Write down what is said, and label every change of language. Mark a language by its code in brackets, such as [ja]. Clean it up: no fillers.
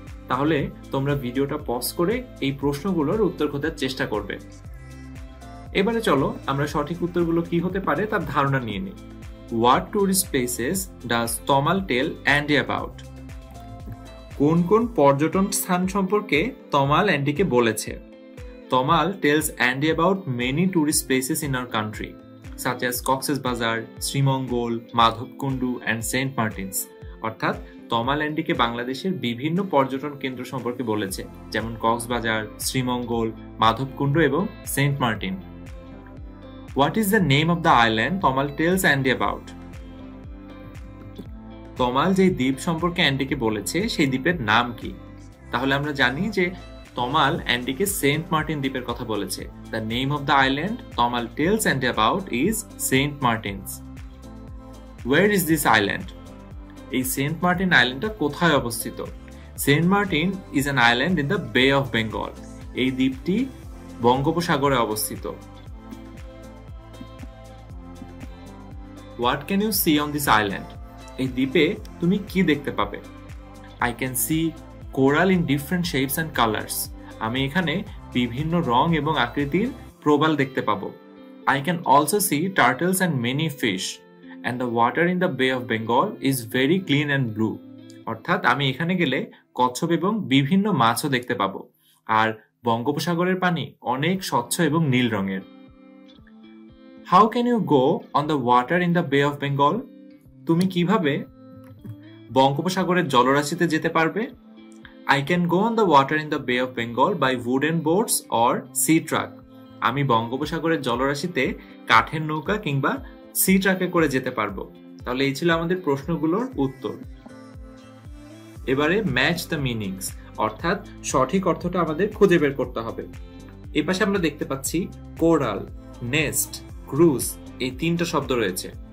[bn] তাহলে তোমরা ভিডিওটা পজ করে এই প্রশ্নগুলোর উত্তর খোঁজার চেষ্টা করবে। এবারে চলো আমরা সঠিক উত্তরগুলো কি হতে পারে তার ধারণা নিয়ে নিই। [en] What tourist places does Tamal tell Andy about? [bn] কোন কোন পর্যটন স্থান সম্পর্কে তমাল অ্যান্ডিকে বলেছে? [en] Tomal tells Andy about many tourist places in our country, such as Cox's Bazar, Srimongol, Madhavkundu, and St. Martin's. [bn] অর্থাৎ তমাল অ্যান্ডিকে বাংলাদেশের বিভিন্ন পর্যটন কেন্দ্র সম্পর্কে বলেছে, যেমন কক্সবাজার, শ্রীমঙ্গল, মাধবকুণ্ড এবং Saint Martin. [en] What is the name of the island Tamal tells Andy about? [bn] তমাল যে দ্বীপ সম্পর্কে অ্যান্ডিকে বলেছে সেই দ্বীপের নাম কি? তাহলে আমরা জানি যে তমাল অ্যান্ডিকে সেন্ট মার্টিন দ্বীপের কথা বলেছে। [en] The name of the island Tamal tells Andy about is Saint Martin's. Where is this island? [bn] এই সেন্ট মার্টিন আইল্যান্ডটা কোথায় অবস্থিত? [en] Saint Martin is an island in the bay of Bengal. [bn] এই দ্বীপটি বঙ্গোপসাগরে অবস্থিত। [en] What can you see on this island? [bn] এই দ্বীপে তুমি কি দেখতে পাবে? [en] I can see coral in different shapes and colours. [bn] আমি এখানে বিভিন্ন রং এবং আকৃতির প্রবাল দেখতে পাবো। [en] I can also see turtles and many fish. And the water in the Bay of Bengal is very clean and blue. [bn] অর্থাৎ আমি এখানে গেলে কচ্ছপ এবং বিভিন্ন মাছও দেখতে পাবো। আর বঙ্গোপসাগরের পানি অনেক স্বচ্ছ এবং নীল রঙের। [en] How can you go on the water in the Bay of Bengal? [bn] তুমি কিভাবে বঙ্গোপসাগরের জলরাশিতে যেতে পারবে? [en] I can go on the water in the Bay of Bengal by wooden boats or sea truck. [bn] আমি বঙ্গোপসাগরের জলরাশিতে কাঠের নৌকা কিংবা সি ট্রাকে করে যেতে পারবো। তাহলে এই ছিল আমাদের প্রশ্নগুলোর উত্তর। এবারে [en] match the meanings, [bn] অর্থাৎ সঠিক অর্থটা আমাদের খুঁজে বের করতে হবে। এই পাশে আমরা দেখতে পাচ্ছি কোরাল, নেস্ট, ক্রুজ, এই তিনটা শব্দ রয়েছে।